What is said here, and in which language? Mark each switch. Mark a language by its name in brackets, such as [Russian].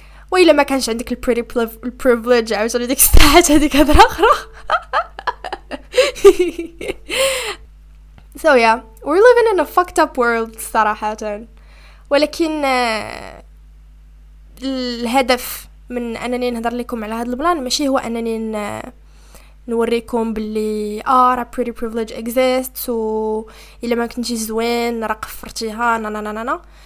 [Arabic] ويلا ما كانش عندك البريتي بريفليج عاوتاني ديك الساعات هذيك هضره اخرى. [English] So yeah, we're living in a fucked up world صراحة. [Arabic] ولكن الهدف من أنني نهضر لكم على هذا البلان ماشي هو أنني نوريكم باللي راه [English] pretty privilege exists [Arabic] و إلا ما كنتي زوين راه قفرتيها نانانانانا.